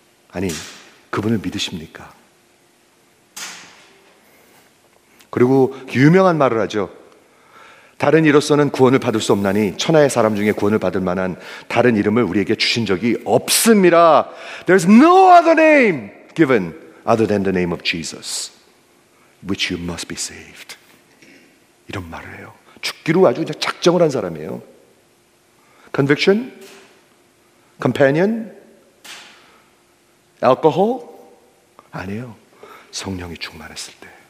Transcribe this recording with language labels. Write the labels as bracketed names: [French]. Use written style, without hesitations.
[Korean] 아니, 그분을 믿으십니까? 그리고 유명한 말을 하죠. 다른 이로서는 구원을 받을 수 없나니 천하의 사람 중에 구원을 받을 만한 다른 이름을 우리에게 주신 적이 없습니다. [English] There's no other name given other than the name of Jesus which you must be saved. [Korean] 이런 말을 해요. 죽기로 아주 그냥 작정을 한 사람이에요. [English] Conviction? Companion? Alcohol? [Korean] 아니에요. 성령이 충만했을 때.